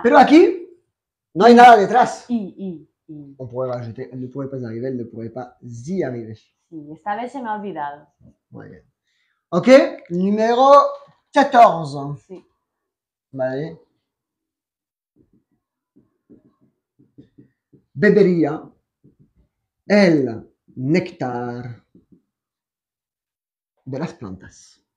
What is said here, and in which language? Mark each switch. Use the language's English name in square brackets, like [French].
[Spanish] pero aquí no hay nada detrás. Y. [French] On pourrait rajouter, elle ne pourrait pas arriver, elle ne pourrait pas y arriver. [Spanish] Esta vez se me ha olvidado. Muy bien. [French] Ok, numéro 14. [Spanish] Sí. Vale. Bebería el néctar de las plantas.